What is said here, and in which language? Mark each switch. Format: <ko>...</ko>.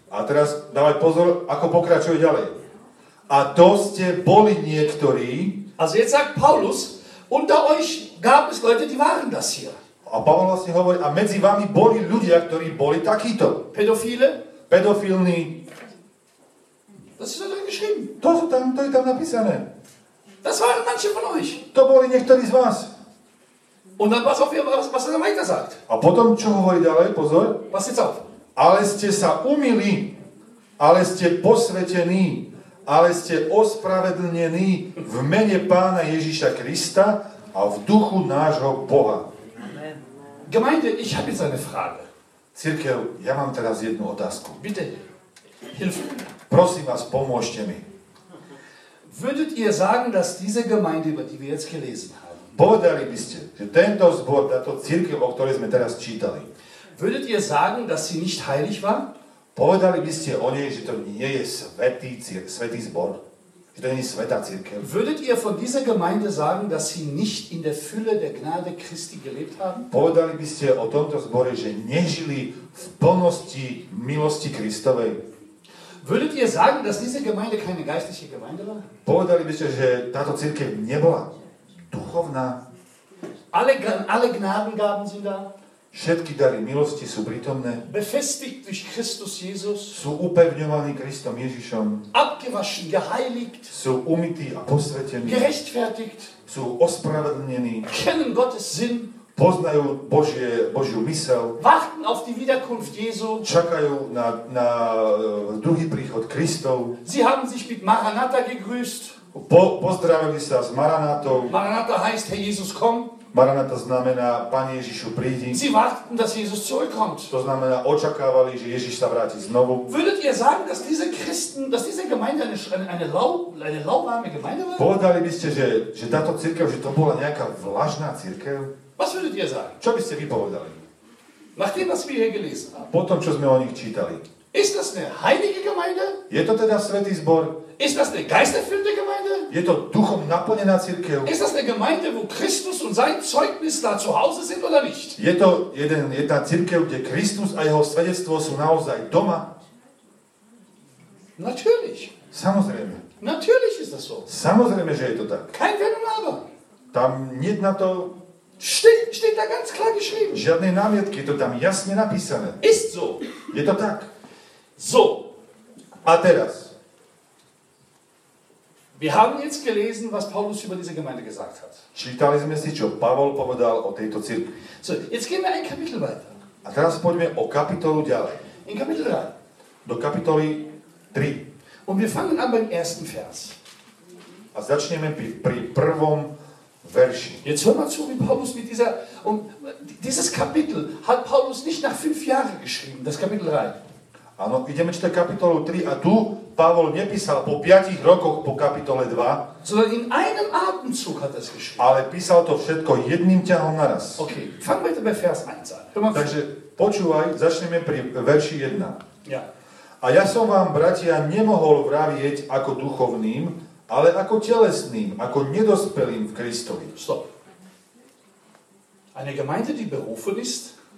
<sk>A teraz dávaj pozor, ako pokračuje ďalej. A to ste boli niektorí.</sk> <de>Also jetzt sagt Paulus, unter euch gab es Leute, die waren das hier.</de> <sk>A Pavol vlastne hovorí, a medzi vami boli ľudia, ktorí boli takíto. Pedofíle. Pedofilní.</sk> <de>Das ist da geschrieben.</de> <sk>To je tam napísané.</sk> <de>Das waren manche von euch.</de> <sk>To boli niektorí z vás.</sk> <de>Und dann pass auf, was er dann weiter sagt.</de> <sk>A potom čo hovorí ďalej, pozor.</sk> <de>Pass jetzt auf.</de> <sk>Ale ste sa umili, ale ste posvetení, ale ste ospravedlnení v mene Pána Ježíša Krista a v duchu nášho Boha. Amen.</sk> <de>Gemeinde, ich habe jetzt eine Frage.</de> <sk>Cirkev, ja mám teraz jednu otázku.</sk> <de>Bitte, hilf.</de> <sk>Prosím vás, pomôžte mi.</sk> <de>Würdet ihr sagen, dass diese Gemeinde, über die wir jetzt gelesen haben,</de> <sk>povedali by ste, že tento zbor, táto cirkev, o ktorej sme teraz čítali,</sk> <de>würdet ihr sagen, dass sie nicht heilig war?</de> <sk>Povedali by ste o nej, že to nie je svätý svätý zbor, že to nie je svätá cirkev?</sk> <de>Würdet ihr von dieser Gemeinde sagen, dass sie nicht in der Fülle der Gnade Christi gelebt haben?</de> <sk>Povedali by ste o tomto zbore, že nežili v plnosti milosti Kristovej?</sk> <de>Würdet ihr sagen, dass diese Gemeinde keine geistliche Gemeinde war?</de> <sk>Povedali by ste, že táto cirkev nebola duchovná?</sk> <de>Alle Gnadengaben sind da.</de> <sk>Všetky dary milosti sú prítomné.</sk> <de>Befestigt durch Christus Jesus.</de> <sk>Sú upevňovaní Kristom Ježišom.</sk> <de>Abgewaschen, geheiligt.</de> <sk>Sú umytí a posvetení.</sk> <de>Gerechtfertigt.</de> <sk>Sú ospravedlnení.</sk> <de>Kennen Gottes Sinn.</de> <sk>Poznajú Božiu mysel.</sk> <de>Warten auf die Wiederkunft Jesu.</de> <sk>Čakajú na druhý príchod Kristov.</sk> <de>Sie haben sich mit Maranatha gegrüßt.</de> <sk>Pozdravili sa s Maranatou.</sk> <de>Maranatha heißt, Herr Jesus, komm.</de> <sk>Maranatha znamená, Pane Ježišu, prídi.</sk> <de>Sie warten, dass Jesus zurückkommt.</de> <sk>To znamená, očakávali, že Ježiš sa vráti znovu.</sk> <de>Würdet ihr sagen, dass diese Christen, dass diese Gemeinde eine lauwarme Gemeinde war?</de> <sk>Povedali by ste, že táto cirkev, že to bola nejaká vlažná cirkev?</sk> <de>Was würdet ihr sagen?</de> <sk>Čo by ste vy povedali?</sk> <de>Nachdem, was wir hier gelesen haben.</de> <sk>Potom, čo sme o nich čítali.</sk> <de>Ist das eine heilige Gemeinde?</de> <sk>Je to teda svätý zbor?</sk> <de>Ist das eine geisterfüllte Gemeinde?</de> <sk>Je to duchom naplnená cirkev?</sk> <de>Ist das eine Gemeinde, wo Christus und sein Zeugnis da zu Hause sind oder nicht?</de> <sk>Je to jedna cirkev, kde Kristus a jeho svedectvo sú naozaj doma?</sk> <de>Natürlich.</de> <sk>Samozrejme.</sk> <de>Natürlich ist das so.</de> <sk>Samozrejme, že je to tak.</sk> <de>Kein Wenn und Aber.</de> <sk>Tam nie na to...</sk> <de>Steht da ganz klar geschrieben.</de> <sk>Žiadne námietky, je to tam jasne napísané.</sk> <de>Ist so.</de> <sk>Je to tak.</sk> <de>So.</de> <sk>A teraz...</sk> <de>Wir haben jetzt gelesen, was Paulus über diese Gemeinde gesagt hat.</de> <sk>Čítali sme si, čo Pavol povedal o tejto cirkvi.</sk> <de>So, jetzt gehen wir ein Kapitel weiter.</de> <sk>A teraz poďme o kapitolu ďalej.</sk> <de>In Kapitel 3.</de> <sk>Do kapitoly 3.</sk> <de>Und wir fangen an beim ersten Vers.</de> <sk>A začneme pri prvom verši.</sk> <de>Jetzt hör mal zu, wie Paulus mit dieser... dieses Kapitel hat Paulus nicht nach 5 Jahren geschrieben, das Kapitel 3.</de> <sk>Áno, ideme čítať kapitolu 3 a tu Pavol nepísal po 5 rokoch po kapitole 2,</sk> <de>sondern in einem Atemzug hat es geschrieben.</de> <sk>Ale písal to všetko jedným ťahom naraz.</sk> <de>Okay, fangen wir bei Vers 1 an.</de> <sk>Takže počúvaj, začneme pri verši 1.</sk> <de>Ja.</de> <sk>A ja som vám, bratia, nemohol vravieť ako duchovným, ale ako telesným, ako nedospelým v Kristovi.</sk> <de>Stop. Eine Gemeinde, die berufen ist,</de>